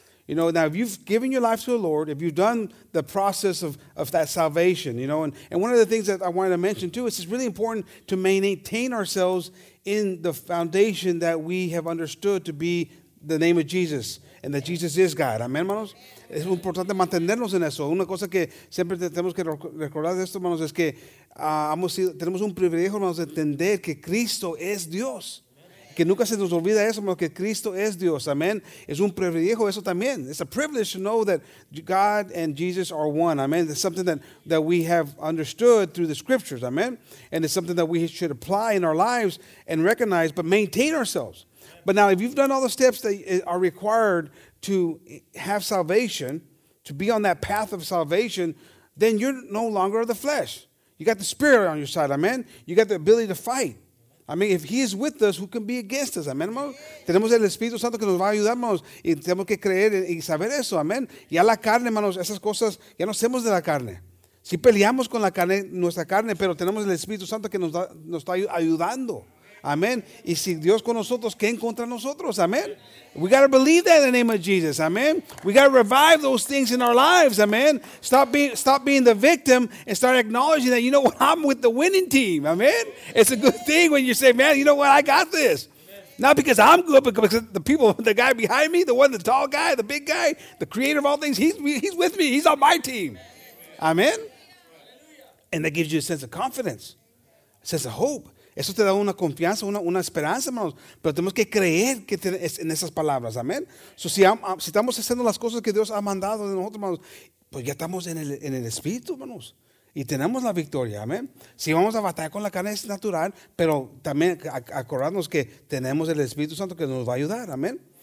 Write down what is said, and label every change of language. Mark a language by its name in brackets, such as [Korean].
[English] You know, now if you've given your life to the Lord, if you've done the process of that salvation, you know, and one of the things that I wanted to mention too is it's really important to maintain ourselves in the foundation that we have understood to be the name of Jesus, and that Jesus is God. [Spanish] Amen, hermanos. Es importante mantenernos en eso. Una cosa que siempre tenemos que recordar de esto, hermanos, es que tenemos un privilegio, hermanos, de entender que Cristo es Dios. Que nunca se nos olvida eso, hermanos, que Cristo es Dios. Amen. Es un privilegio eso también. [English] It's a privilege to know that God and Jesus are one. Amen. It's something that we have understood through the scriptures. Amen. And it's something that we should apply in our lives and recognize, but maintain ourselves. But now, if you've done all the steps that are required to have salvation, to be on that path of salvation, then you're no longer of the flesh. You got the spirit on your side, amen? You got the ability to fight. I mean, if he is with us, who can be against us, amen, hermano? [Spanish] Tenemos el Espíritu Santo que nos va a ayudar, hermanos, y tenemos que creer y saber eso, amen. Ya la carne, hermanos, esas cosas, ya no hacemos de la carne. Si peleamos con la carne, nuestra carne, pero tenemos el Espíritu Santo que nos está ayudando. Amen. Y si Dios con nosotros, ¿quién contra nosotros? Amen. [English] We got to believe that in the name of Jesus. Amen. We got to revive those things in our lives. Amen. Stop being the victim and start acknowledging that, you know what, I'm with the winning team. Amen. It's a good thing when you say, man, you know what, I got this. Not because I'm good, but because the people, the guy behind me, the one, the tall guy, the big guy, the creator of all things, he's with me. He's on my team. Amen. And that gives you a sense of confidence, a sense of hope. [Spanish] Eso te da una confianza, una esperanza, hermanos. Pero tenemos que creer que en esas palabras, amén. So, si estamos haciendo las cosas que Dios ha mandado de nosotros, hermanos, pues ya estamos en el Espíritu, hermanos. Y tenemos la victoria, amén. Si vamos a batallar con la carne, es natural, pero también acordarnos que tenemos el Espíritu Santo que nos va a ayudar, amén.